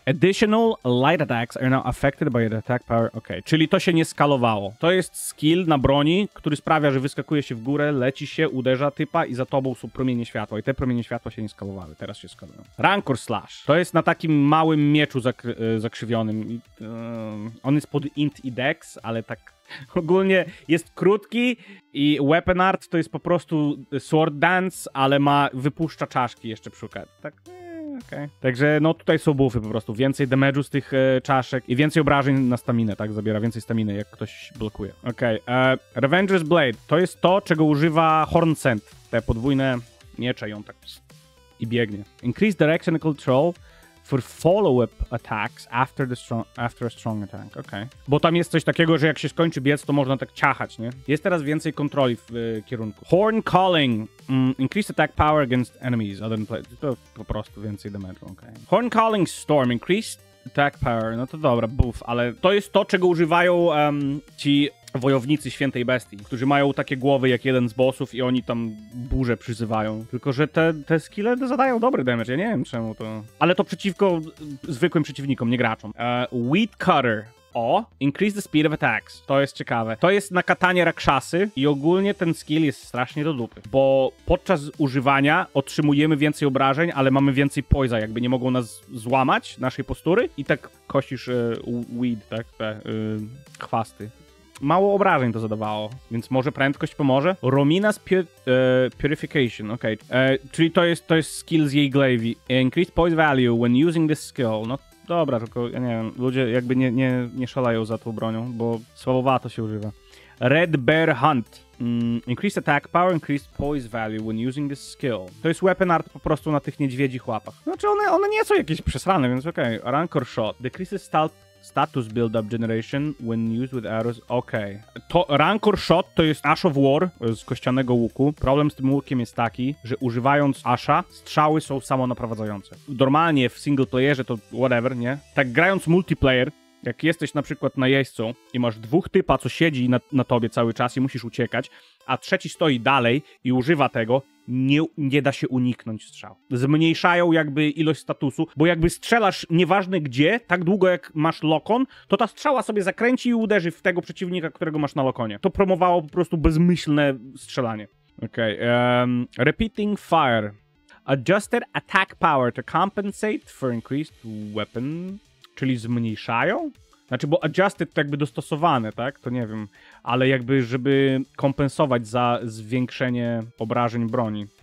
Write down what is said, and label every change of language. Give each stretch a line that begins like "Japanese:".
English: Additional light attacks are now affected by the attack power.
Polish: Okay, czyli to się nie skalowało. To jest skill na broni, który sprawia, że wyskakuje się w górę, leci się, uderza typa i za tobą są promienie światła. I te promienie światła się nie skalowały. Teraz się skalują. Rancor Slash. To jest na takim małym mieczu zakrzywionym. On jest pod int i dex, ale tak ogólnie jest krótki i weapon art to jest po prostu sword dance, ale ma wypuszcza czaszki jeszcze przy okazji. Tak. Okay. Także no tutaj są buffy po prostu, więcej damage'u z tych czaszek i więcej obrażeń na staminę, tak, zabiera więcej staminy, jak ktoś blokuje. Okej, okay. Revenger's Blade, to jest to, czego używa Horn Scent, te podwójne miecze i on tak i biegnie.
English: Increase direction control for follow-up attacks after a strong attack, okej. Okay.
Polish: Bo tam jest coś takiego, że jak się skończy biec, to można tak ciachać, nie? Jest teraz więcej kontroli w kierunku.
English: Horn Calling. Increased attack power against enemies other than players.
Polish: To po prostu więcej damage, okej.
English: Okay. Horn Calling Storm. Increased attack power.
Polish: No to dobra, buff. Ale to jest to, czego używają ci wojownicy świętej bestii, którzy mają takie głowy jak jeden z bossów i oni tam burzę przyzywają. Tylko, że te skille zadają dobry damage, ja nie wiem czemu to... Ale to przeciwko zwykłym przeciwnikom, nie graczom.
English: Weed Cutter. O, increase the speed of attacks.
Polish: To jest ciekawe. To jest na katanie rakszasy i ogólnie ten skill jest strasznie do dupy, bo podczas używania otrzymujemy więcej obrażeń, ale mamy więcej poisa, jakby nie mogą nas złamać naszej postury i tak kosisz weed, tak, te chwasty. Mało obrażeń to zadawało, więc może prędkość pomoże? Romina's Purification, okej. Okay. Czyli to jest skill z jej glaive.
English: Increased poise value when using this skill.
Polish: No dobra, tylko ja nie wiem, ludzie jakby nie szalają za tą bronią, bo słabowato się używa.
English: Red Bear Hunt. Increased attack power, increased poise value when using this skill.
Polish: To jest weapon art po prostu na tych niedźwiedzich łapach. Znaczy one nie są jakieś przesrane, więc okej.
English: Okay. Rancor Shot. Decreases status build-up generation when used with arrows. Okej. Okay.
Polish: To Rancor Shot to jest Ash of War z kościanego łuku. Problem z tym łukiem jest taki, że używając Asha, strzały są samonaprowadzające. Normalnie w single playerze to whatever, nie? Tak grając multiplayer, jak jesteś na przykład najeźdźcą i masz dwóch typa, co siedzi na tobie cały czas i musisz uciekać, a trzeci stoi dalej i używa tego, nie da się uniknąć strzał. Zmniejszają jakby ilość statusu, bo jakby strzelasz nieważne gdzie, tak długo jak masz lokon, to ta strzała sobie zakręci i uderzy w tego przeciwnika, którego masz na lokonie. To promowało po prostu bezmyślne strzelanie.
English: Okej, repeating fire. Adjusted attack power to compensate for increased weapon...
Polish: Czyli zmniejszają? Znaczy, bo adjusted to jakby dostosowane, tak? To nie wiem. Ale jakby, żeby kompensować za zwiększenie obrażeń broni.